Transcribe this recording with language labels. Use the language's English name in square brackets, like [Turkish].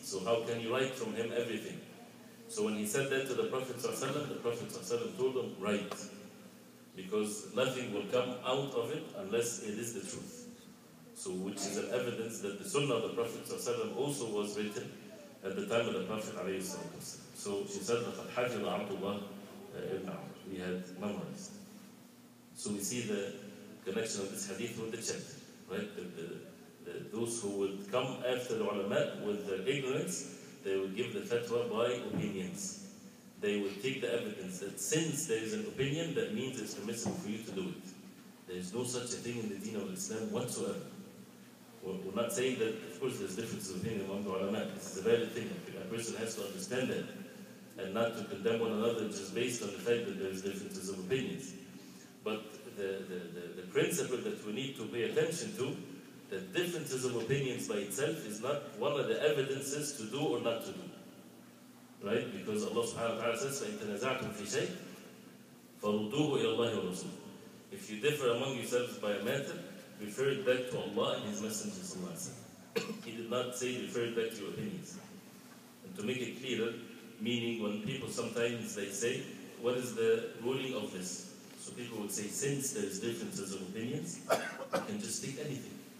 [English] So how can you write from him everything? So when he said that to the Prophet ﷺ, the Prophet ﷺ told him, write. Because nothing will come out of it unless it is the truth. So which is an evidence that the Sunnah of the Prophet ﷺ also was written at the time of the Prophet ﷺ. So she said, [Arabic] لَقَدْ حَجِرَ عَبْدُ اللَّهِ إِبْنَ عَمْرُ. [English] We had memorized. So we see the connection of this hadith with the chapter. right? Those who would come after the ulama with their ignorance, they would give the fatwa by opinions. They would take the evidence that since there is an opinion, that means it's permissible for you to do it. There is no such a thing in the deen of Islam whatsoever. We're not saying that, of course, there's differences of opinion among the ulama. This is a valid thing. A person has to understand that and not to condemn one another just based on the fact that there is differences of opinions. But the principle that we need to pay attention to, that differences of opinions by itself is not one of the evidences to do or not to do. Right? Because Allah subhanahu wa ta'ala says, [Arabic] فَإِنْتَنَزَعْتُمْ فِي شَيْءٍ فَرُدُوهُ إِلَى اللَّهِ وَرَسُولُهُ. [English] If you differ among yourselves by a matter, refer it back to Allah and His Messenger sallallahu alayhi wa sallam. He did not say refer it back to your opinions. And to make it clearer, meaning when people sometimes they say, what is the ruling of this? So people would say, since there is differences of opinions, you can just take anything.